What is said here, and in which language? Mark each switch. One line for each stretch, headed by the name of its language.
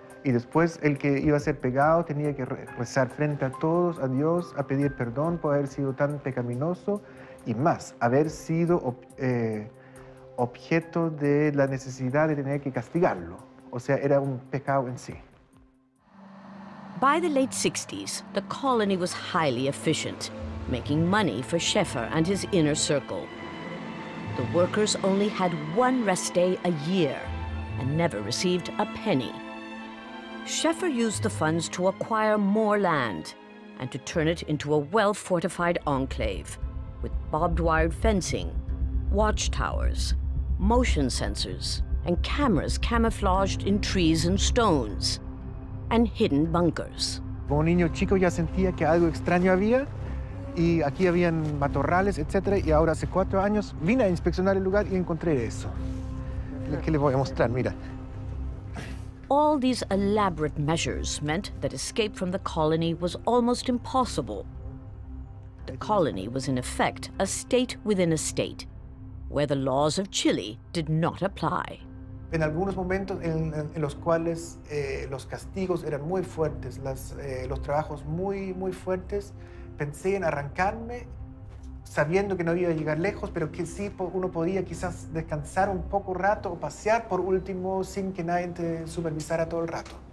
Spanish: Y después el que iba a ser pegado tenía que rezar frente a todos, a Dios, a pedir perdón por haber sido tan pecaminoso, y más, haber sido objeto de la necesidad de tener que castigarlo. O sea, era un pecado en sí.
English: By the late 60s, the colony was highly efficient, making money for Schaefer and his inner circle. The workers only had one rest day a year and never received a penny. Schaefer used the funds to acquire more land and to turn it into a well-fortified enclave with barbed-wired fencing, watchtowers, motion sensors, and cameras camouflaged in trees and stones, and hidden bunkers.
Spanish: Como niño chico ya sentía que algo extraño había, y aquí habían matorrales, etcétera, y ahora hace 4 años vine a inspeccionar el lugar y encontré eso. ¿Qué le voy a mostrar? Mira.
English: All these elaborate measures meant that escape from the colony was almost impossible. The colony was in effect a state within a state, where the laws of Chile did not apply.
Spanish: En algunos momentos en los cuales los castigos eran muy fuertes, los trabajos muy, muy fuertes, pensé en arrancarme sabiendo que no iba a llegar lejos, pero que sí uno podía quizás descansar un poco rato o pasear por último sin que nadie te supervisara todo el rato.